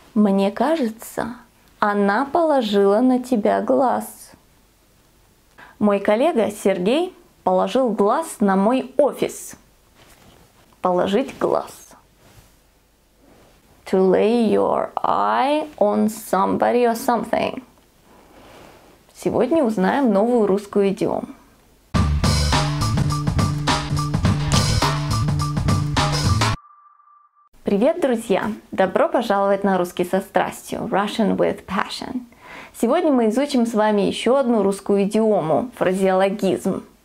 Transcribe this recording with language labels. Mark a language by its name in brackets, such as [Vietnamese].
[Russian] Мне кажется, она положила на тебя глаз. Мой коллега Сергей положил глаз на мой офис. Положить глаз. [English] To lay your eye on somebody or something. [Russian] Сегодня узнаем новую русскую идиому. Привет, друзья! Добро пожаловать на русский со страстью, [English] Russian with passion. [Russian] Сегодня мы изучим с вами еще одну русскую идиому, фразеологизм.